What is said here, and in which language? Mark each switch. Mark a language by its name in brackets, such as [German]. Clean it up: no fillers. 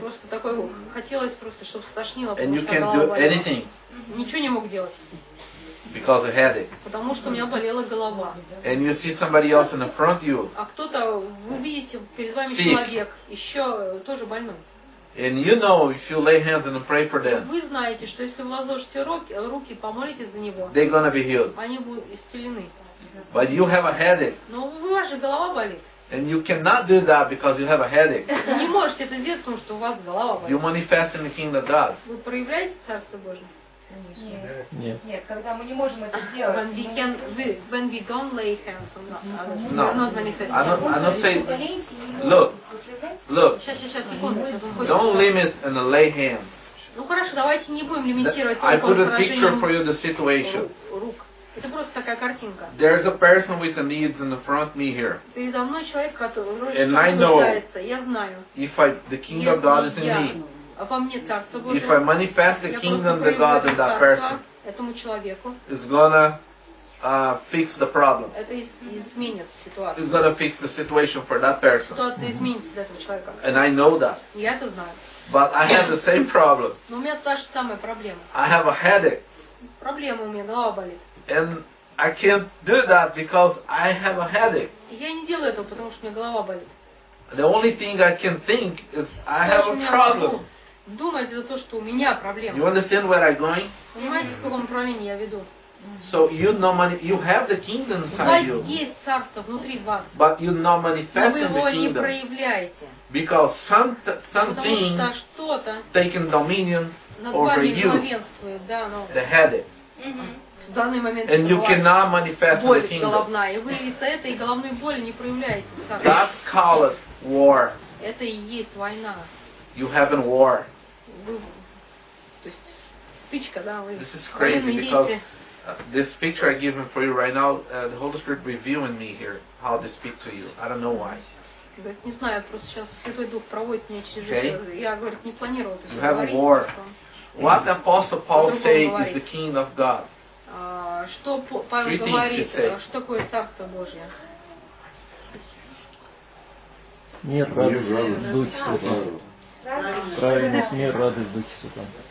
[Russian] Просто такой хотелось просто, чтобы стошнило, потому что голова болит. [English] And you can't do anything. [Russian] Ничего не мог делать. [English] Because of headache. [Russian] Потому что у меня болела голова. [English] And you see somebody else in front of you. [Russian] А кто-то вы видите перед вами человек, еще тоже больной. [English] And you know if you lay hands and pray for them. [Russian] Вы знаете, что если вы возложите руки, помолитесь за него. [English] They're gonna be healed. [Russian] Они будут исцелены. [English] But you have a headache. [Russian] Но у вас же голова болит. [English] And you cannot do that because you have a headache. [Russian] Вы не можете это сделать, потому что у вас голова болит. [English] You manifest in the kingdom of God. [Russian] Вы проявляете Царство Божие? Нет. Нет. Нет, когда мы не можем это сделать. [English] When we can, when we don't lay hands on others, no. I'm not saying, look. [Russian] Сейчас, секунду. [English] Don't limit and lay hands. [Russian] Ну хорошо, давайте не будем лимитировать. [English] I put a picture for you the situation. [Russian] Рук. Это просто такая картинка. [English] There's a person with the needs in the front of me here. [Russian] Передо мной человек, который нуждается. [English] And I know. [Russian] Я знаю. [English] If I, the kingdom of God is in me. If I manifest the kingdom of God in that person, [Russian] этому человеку, [English] it's gonna fix the problem. [Russian] Это [English] is going to fix the situation for that person. And I know that. [Russian] Я это знаю. [English] But I have the same problem. [Russian] Но у меня та же самая проблема. [English] I have a headache. [Russian] Проблема у меня, голова болит. [English] And I can't do that because I have a headache. [Russian] Я не делаю этого, потому что у меня голова болит. [English] The only thing I can think is I have a problem. [Russian] Думать это то, что у меня проблема. [English] You understand where I'm going? [Russian] Понимаете, в каком направлении я веду? [English] So you know you have the kingdom inside you. [Russian] У вас есть царство внутри вас. [English] But you not manifesting the kingdom. [Russian] Вы его не проявляете. [English] Because something taking dominion over you. The headache. [Russian] В данный момент. [English] And you cannot manifest [Russian] боль, [English] the kingdom. [Russian] Головная. И вы из-за этой головной боли не проявляете царство. [English] That's called war. [Russian] Это и есть война. [English] You have a war. [Russian] То есть спичка, да, вы. [English] This is crazy because. This picture I give him for you right now, the Holy Spirit revealing me here how to speak to you. I don't know why. [Russian] Не знаю, просто сейчас Святой Дух проводит меня через. Я говорю, не планировал. [English] You have a war. What the Apostle Paul say is the King of God. [Russian] Что Павел говорит? Что такое Царство Божье? Мир, радость, Дух Святой. Праведность, мир, радость, Дух Святой.